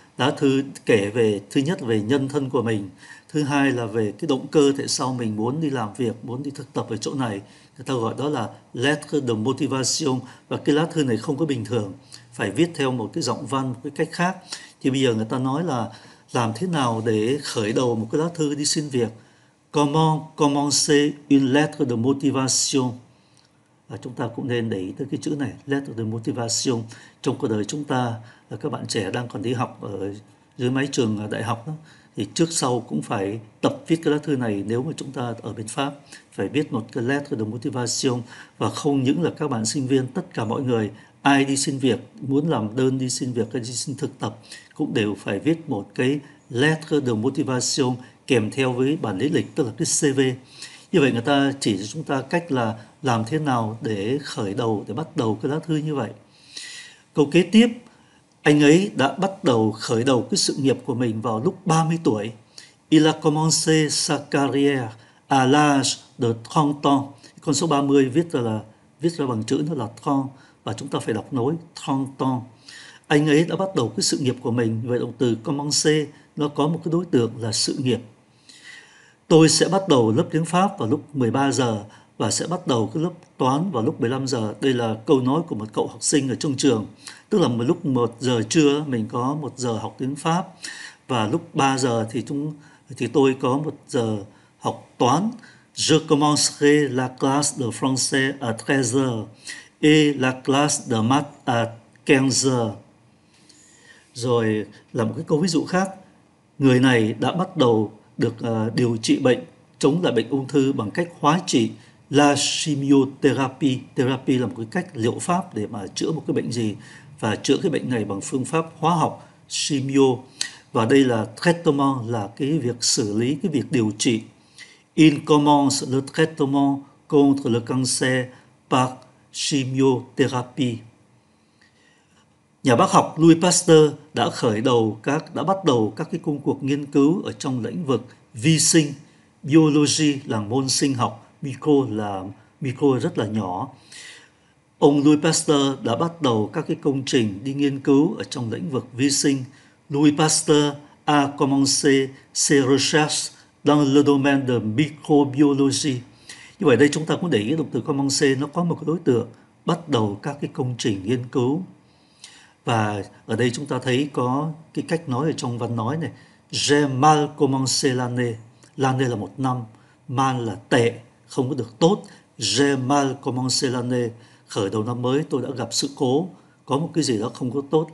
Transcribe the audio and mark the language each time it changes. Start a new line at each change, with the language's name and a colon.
Vietnamese: Lá thư kể về, thứ nhất về nhân thân của mình, thứ hai là về cái động cơ tại sao mình muốn đi làm việc, muốn đi thực tập ở chỗ này. Người ta gọi đó là letter de motivation. Và cái lá thư này không có bình thường, phải viết theo một cái giọng văn, một cái cách khác. Thì bây giờ người ta nói là làm thế nào để khởi đầu một cái lá thư đi xin việc.
French: Comment commencer une lettre de motivation.
Vietnamese: Và chúng ta cũng nên để ý tới cái chữ này, letter de motivation. Trong cuộc đời chúng ta, là các bạn trẻ đang còn đi học ở dưới mái trường đại học đó, thì trước sau cũng phải tập viết cái lá thư này. Nếu mà chúng ta ở bên Pháp, phải viết một cái letter de motivation. Và không những là các bạn sinh viên, tất cả mọi người, ai đi xin việc, muốn làm đơn đi xin việc hay đi xin thực tập, cũng đều phải viết một cái letter de motivation kèm theo với bản lý lịch, tức là cái CV. Như vậy người ta chỉ cho chúng ta cách là làm thế nào để khởi đầu, để bắt đầu cái lá thư như vậy. Câu kế tiếp, anh ấy đã bắt đầu khởi đầu cái sự nghiệp của mình vào lúc 30 tuổi.
French: Il a commencé sa carrière à l'âge de 30 ans.
Vietnamese: Con số 30 viết ra bằng chữ nó là 30, và chúng ta phải đọc nối
French: 30 ans.
Vietnamese: Anh ấy đã bắt đầu cái sự nghiệp của mình. Vậy động từ commencer nó có một cái đối tượng là sự nghiệp. Tôi sẽ bắt đầu lớp tiếng Pháp vào lúc 13 giờ và sẽ bắt đầu cái lớp toán vào lúc 15 giờ. Đây là câu nói của một cậu học sinh ở trong trường. Tức là lúc 1 giờ trưa mình có 1 giờ học tiếng Pháp, và lúc 3 giờ thì tôi có 1 giờ học toán.
French: Je commencerai la classe de français à 13 heures et la classe de maths à 15 heures.
Vietnamese: Rồi là một cái câu ví dụ khác. Người này đã bắt đầu được điều trị bệnh, chống lại bệnh ung thư bằng cách hóa trị, la chimiotherapy. Therapy là một cái cách liệu pháp để mà chữa một cái bệnh gì, và chữa cái bệnh này bằng phương pháp hóa học, chimio. Và đây là traitement, là cái việc xử lý, cái việc điều trị.
French: Il commence le traitement contre le cancer par chimiotherapy.
Vietnamese: Nhà bác học Louis Pasteur đã bắt đầu các cái công cuộc nghiên cứu ở trong lĩnh vực vi sinh. Biology là môn sinh học, micro rất là nhỏ. Ông Louis Pasteur đã bắt đầu các cái công trình đi nghiên cứu ở trong lĩnh vực vi sinh.
French: Louis Pasteur a commencé ses recherches dans le domaine de microbiologie.
Vietnamese: Như vậy đây chúng ta cũng để ý động từ commencer, nó có một cái đối tượng bắt đầu các cái công trình nghiên cứu. Và ở đây chúng ta thấy có cái cách nói ở trong văn nói này.
French: J'ai mal commencé l'année.
Vietnamese: L'année là một năm. Mal là tệ, không có được tốt.
French: J'ai mal commencé l'année.
Vietnamese: Khởi đầu năm mới tôi đã gặp sự cố. Có một cái gì đó không có tốt.